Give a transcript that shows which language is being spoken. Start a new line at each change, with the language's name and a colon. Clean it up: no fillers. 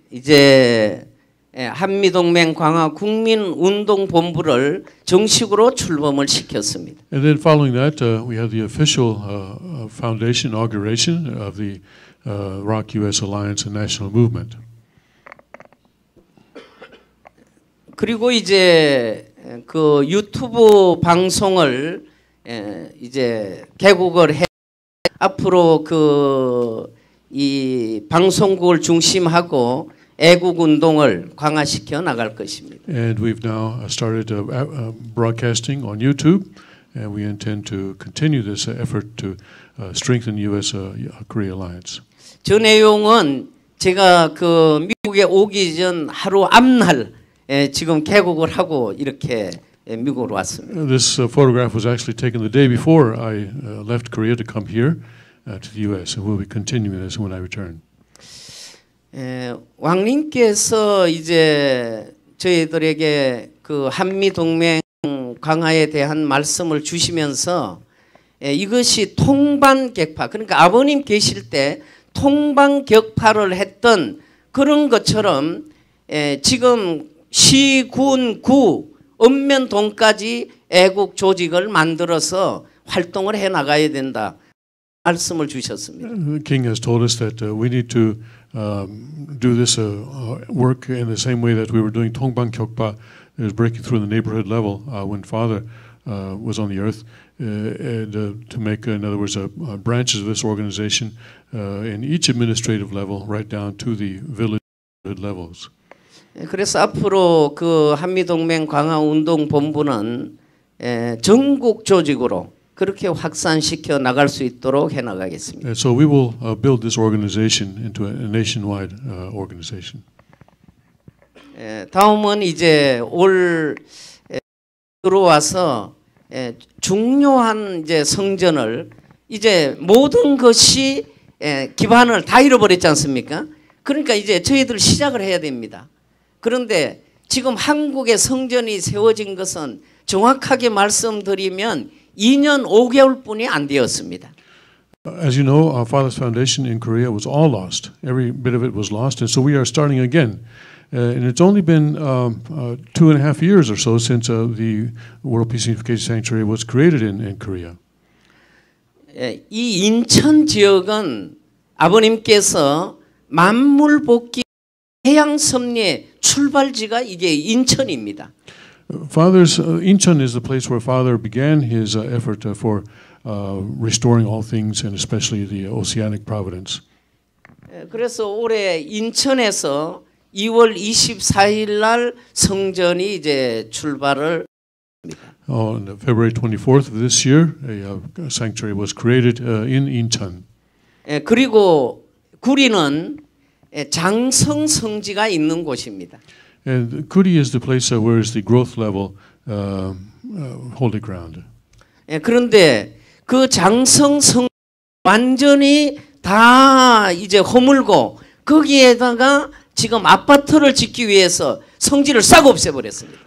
Korean: 이제 한미동맹 강화 국민 운동 본부를 정식으로 출범을 시켰습니다.
English: And then following that, we had the official foundation inauguration of the ROC US Alliance and National Movement.
Korean: 그리고 이제 그 유튜브 방송을 이제 개국을 해 앞으로 그 이 방송국을 중심하고 애국 운동을 강화시켜 나갈 것입니다.
English: And we've now started broadcasting on YouTube, and we intend to continue this effort to strengthen U.S. Korea alliance.
Korean: 저 내용은 제가 그 미국에 오기 전 하루 앞날 지금 개국을 하고 이렇게 미국으로 왔습니다.
English: This photograph was actually taken the day before I left Korea to come here to the U.S. and we'll be continuing this when I return.
Korean: 예, 왕님께서 이제 저희들에게 그 한미 동맹 강화에 대한 말씀을 주시면서 예, 이것이 통방격파 그러니까 아버님 계실 때 통방격파를 했던 그런 것처럼 예, 지금 시군구 읍면동까지 애국 조직을 만들어서 활동을 해 나가야 된다 말씀을 주셨습니다.
English: King has told us that we need to do this work in the same way that we were doing Tongbang Kyokpa, is breaking through the neighborhood level when Father was on the earth, to make, in other words, branches of this organization in each administrative level, right down to the village levels.
Korean: 그래서 앞으로 그 한미동맹 강화 운동 본부는 전국 조직으로 그렇게 확산시켜 나갈 수 있도록 해 나가겠습니다.
English: So we will build this organization into a nationwide organization.
Korean: 다음은 이제 올 들어와서 중요한 이제 성전을 이제 모든 것이 기반을 다 잃어버렸지 않습니까? 그러니까 이제 저희들 시작을 해야 됩니다. 그런데 지금 한국의 성전이 세워진 것은 정확하게 말씀드리면 2년 5개월뿐이 안 되었습니다.
English: As you know, our Father's foundation in Korea was all lost. Every bit of it was lost, and so we are starting again. And it's only been 2.5 years or so since the World Peace Unification Sanctuary was created in Korea.
Korean: 이 인천 지역은 아버님께서 만물복귀 해양섭리의 출발지가 이게 인천입니다.
English: Father's Incheon is the place where Father began his effort for restoring all things, and especially the oceanic providence.
Korean: 그래서 올해 인천에서 2월 24일 날 성전이 이제 출발을
English: On February 24th of this year, a sanctuary was created in Incheon.
Korean: 그리고 구리는 장성 성지가 있는 곳입니다.
English: And Kuri is the place where is the growth level holy ground.
Korean: 그런데 그 장성 성지 완전히 다 이제 허물고 거기에다가 지금 아파트를 짓기 위해서 성지를 싹 없애버렸습니다.